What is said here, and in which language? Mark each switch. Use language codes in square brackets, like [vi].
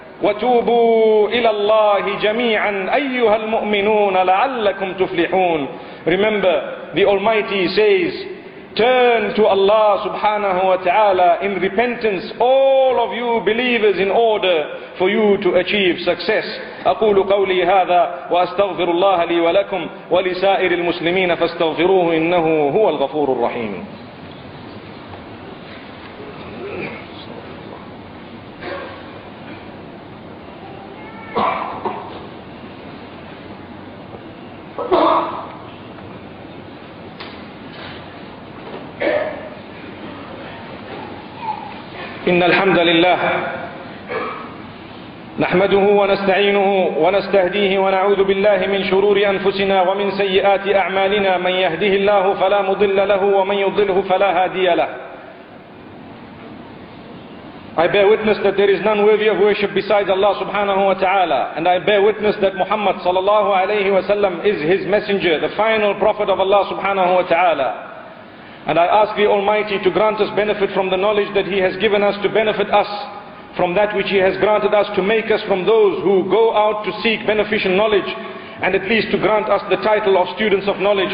[ar] وَتُوبُوا إِلَى اللَّهِ جَمِيعًا أَيُّهَا الْمُؤْمِنُونَ لَعَلَّكُمْ تُفْلِحُونَ [en] Remember, the Almighty says, turn to Allah subhanahu wa ta'ala in repentance, all of you believers, in order for you to achieve success. [ar] أَقُولُ قَوْلِي هَذَا وَأَسْتَغْفِرُ اللَّهَ لِي وَلَكُمْ وَلِسَائِرِ الْمُسْلِمِينَ فَاسْتَغْفِرُوهُ إِنَّهُ هُوَ الْغَفُورُ الرَّحِيمُ إن الحمد لله نحمده ونستعينه ونستهديه ونعوذ بالله من شرور أنفسنا ومن سيئات أعمالنا من يهده الله فلا مضل له ومن يضله فلا هادي له [en] I bear witness that there is none worthy of worship besides Allah subhanahu wa ta'ala. And I bear witness that Muhammad sallallahu alayhi wa sallam is his messenger, the final prophet of Allah subhanahu wa ta'ala. And I ask the Almighty to grant us benefit from the knowledge that he has given us, to benefit us from that which he has granted us, to make us from those who go out to seek beneficial knowledge, and at least to grant us the title of students of knowledge.